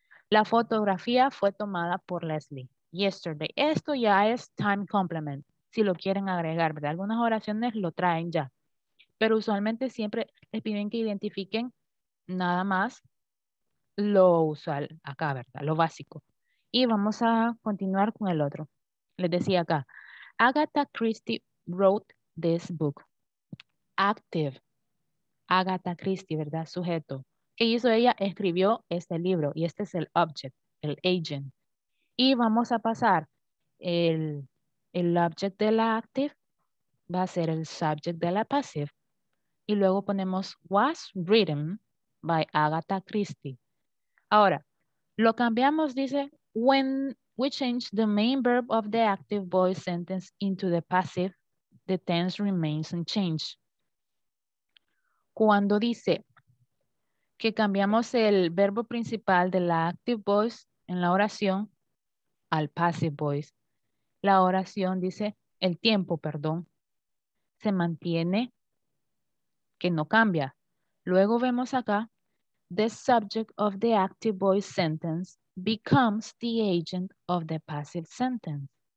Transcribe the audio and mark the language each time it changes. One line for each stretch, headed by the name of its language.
Spanish: La fotografía fue tomada por Leslie yesterday. Esto ya es time complement, si lo quieren agregar, ¿verdad? Algunas oraciones lo traen ya. Pero usualmente siempre les piden que identifiquen nada más lo usual acá, ¿verdad? Lo básico. Y vamos a continuar con el otro. Les decía acá, Agatha Christie
English: wrote this book.
Spanish: Active. Agatha Christie, ¿verdad? Sujeto. ¿Qué hizo ella? Escribió este libro y este es el object, el agent. Y vamos a pasar el object de la active va a ser el subject de la passive. Y luego ponemos
English: was written by
Spanish: Agatha Christie. Ahora, lo cambiamos, dice,
English: when we change the main verb of the active voice sentence into the passive, the tense remains unchanged.
Spanish: Cuando dice que cambiamos el verbo principal de la active voice en la oración al passive voice, la oración dice, el tiempo, perdón, se mantiene, que no cambia. Luego vemos acá,
English: the subject of the active voice sentence becomes the agent of the passive sentence.